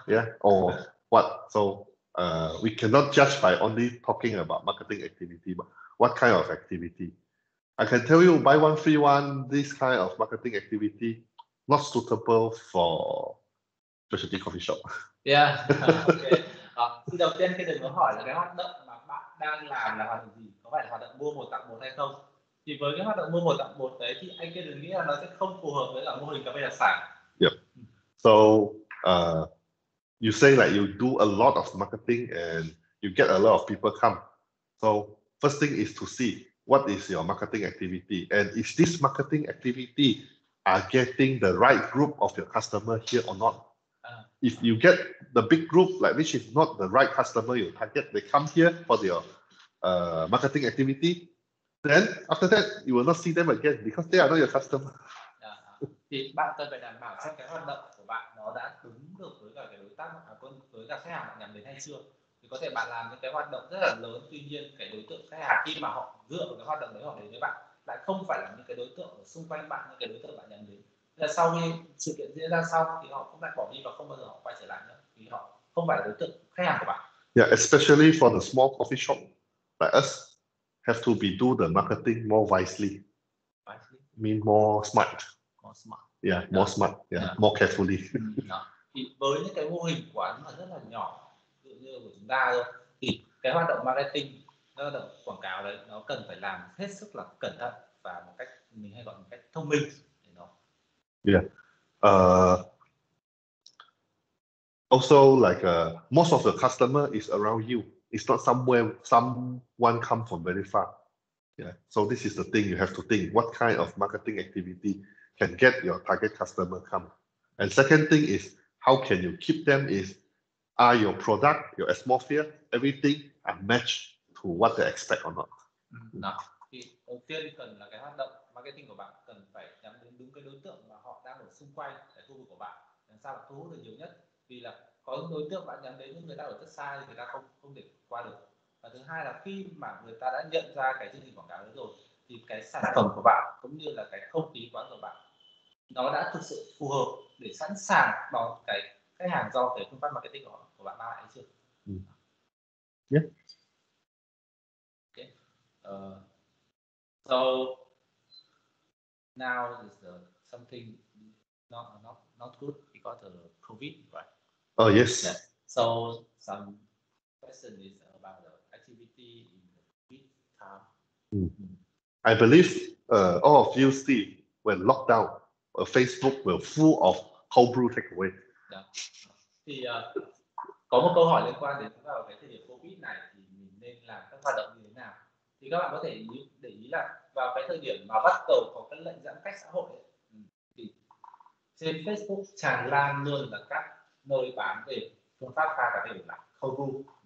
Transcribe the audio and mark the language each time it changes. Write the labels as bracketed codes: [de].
[en] Yeah. Or what? So, we cannot judge by only talking about marketing activity. But what kind of activity? I can tell you, buy one free one. This kind of marketing activity not suitable for specialty coffee shop. Yeah. Okay. [vi] Đầu tiên khi được hỏi là cái hoạt động mà bạn đang làm là hoạt động gì, có phải là hoạt động mua một tặng một hay không? Thì với cái hoạt động mua một tặng một đấy thì anh kia đừng nghĩ là nó sẽ không phù hợp với cả mô hình cà phê đặc sản. [en] Yep. So, you say like you do a lot of marketing and you get a lot of people come. So first thing is to see what is your marketing activity and is this marketing activity are getting the right group of your customer here or not? If you get the big group, like which is not the right customer you target, they come here for your marketing activity, then after that, you will not see them again because they are not your customer. [vi] Thì bạn cần phải đảm bảo xem cái hoạt động của bạn nó đã đúng được với cả cái đối tác, với cả khách hàng bạn nhắm đến hay chưa. Thì có thể bạn làm những cái hoạt động rất là lớn, tuy nhiên cái đối tượng khách hàng khi mà họ dựa vào cái hoạt động đấy họ đến với bạn lại không phải là những cái đối tượng ở xung quanh bạn, những cái đối tượng bạn nhắm đến. Là sau khi sự kiện diễn ra xong thì họ cũng lại bỏ đi và không bao giờ họ quay trở lại nữa vì họ không phải là đối tượng khách hàng của bạn. [en] Yeah, especially for the small coffee shop like us, have to be do the marketing more wisely. Wisely? Mean more smart. More smart. Yeah, yeah, more smart. Yeah, yeah, more carefully. [vi] Thì với những cái mô hình quán mà rất là nhỏ, tự như của chúng ta thôi, thì cái hoạt động marketing, hoạt động quảng cáo đấy, nó cần phải làm hết sức là cẩn thận và một cách mình hay gọi một cách thông minh. [en] Yeah. Also, like most of the customer is around you. It's not somewhere someone come from very far. Yeah. So this is the thing you have to think: what kind of marketing activity can get your target customer come. And second thing is, how can you keep them is, are your product, your atmosphere, everything are matched to what they expect or not? No. [vi] Thì đầu tiên cần là cái hoạt động marketing của bạn cần phải nhắm đến đúng cái đối tượng mà họ đang ở xung quanh tại khu vực của bạn. Làm sao là thu hút được nhiều nhất? Vì là có những đối tượng bạn nhắm đến những người đang ở rất xa thì người ta không thể qua được. Và thứ hai là khi mà người ta đã nhận ra cái chương trình quảng cáo đấy rồi, thì cái sản phẩm của bạn cũng như là cái không khí quán của bạn nó đã thực sự phù hợp để sẵn sàng đón cái khách hàng do cái phương pháp marketing của, bạn mang lại hay chưa? [en] Yeah. Okay. So now is the something not good because of COVID, right? Oh yes. Yeah. So some question is about the activity in the COVID time. I believe all of you see when lockdown, Facebook will full of cold brew takeaway. Yeah. [vi] Thì có một câu hỏi liên quan đến vào cái thời điểm COVID này thì mình nên làm các hoạt động như thế nào? Thì các bạn có thể để ý là vào cái thời điểm mà bắt đầu có cái lệnh giãn cách xã hội ấy, thì trên Facebook tràn lan luôn là các nơi bán về phương pháp pha cà phê là cold brew.